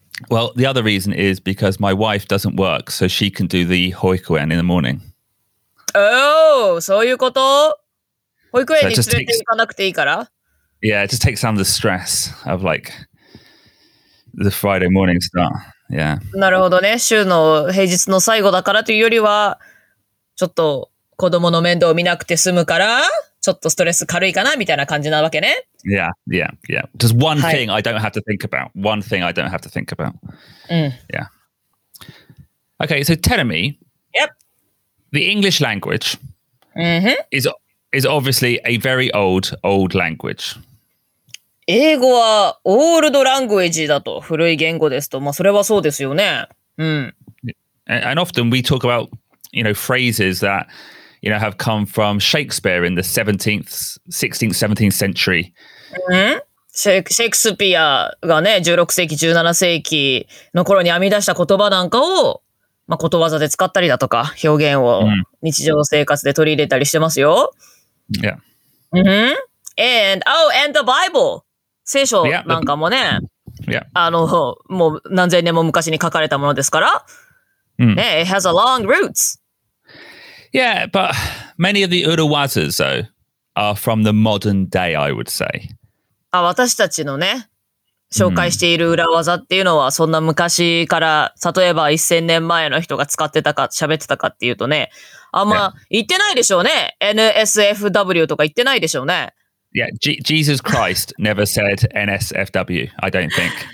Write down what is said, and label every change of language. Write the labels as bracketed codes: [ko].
[en] Well, the other reason is because my wife doesn't work, so she can do the hoikuen in the morning. Oh, so you got to [ja] hoikuen ni tsurete ikanakute ii kara? [en] Yeah, it just takes some of the stress of like the Friday morning start. Yeah. [ja] なるほどね。週の平日の最後だからというよりは、ちょっと子供の面倒を見なくて済むから、ちょっとストレス軽いかなみたいな感じなわけね。 [en] Yeah, yeah, yeah. Just one thing I don't have to think about. One thing I don't have to think about. Yeah. Okay, so Terumi. Yep. The English language is obviously a very old, old language. [ja] 英語はオールドラングエージだと古い言語ですと、まあそれはそうですよね。うん。 [en] And often we talk about, you know, phrases that, you know, have come from Shakespeare in the 17th, 16th, 17th century. [ja] シェイクスピアがね、16世紀、17世紀の頃に編み出した言葉なんかを、まあことわざで使ったりだとか、表現を日常生活で取り入れたりしてますよ。 [en] Yeah. And, oh, and the Bible! [ja] 聖書なんかもね、 [en] yeah. [ja] あの、もう何千年も昔に書かれたものですから、ね、 [en] it has a long roots. Yeah, but many of the Uruwazas, though, are from the modern day, I would say. [ja] あ、私たちのね、紹介している裏技っていうのは、そんな昔から、例えば1000年前の人が使ってたか、喋ってたかっていうとね、あんま言ってないでしょうね。 NSFW とか言ってないでしょうね。 [en] Yeah, Jesus Christ never said NSFW, I don't think.